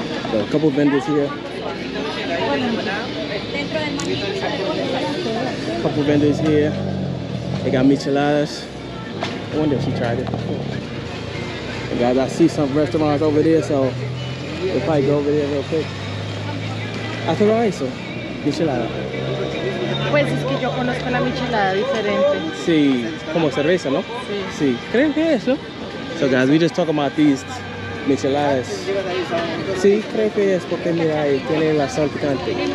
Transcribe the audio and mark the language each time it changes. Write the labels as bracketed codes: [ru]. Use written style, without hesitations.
[en] There are a couple vendors here. They got micheladas. I wonder if she tried it. Guys, I see some restaurants over there, so we'll probably go over there real quick. After all, so, michelada. [es] Pues es que yo conozco una michelada diferente. Sí, como cerveza, ¿no? Sí. Sí, creo que es, ¿no? [en] So, guys, we just talk about these micheladas. [es] Sí, creo que es porque, mira, tiene la sal picante.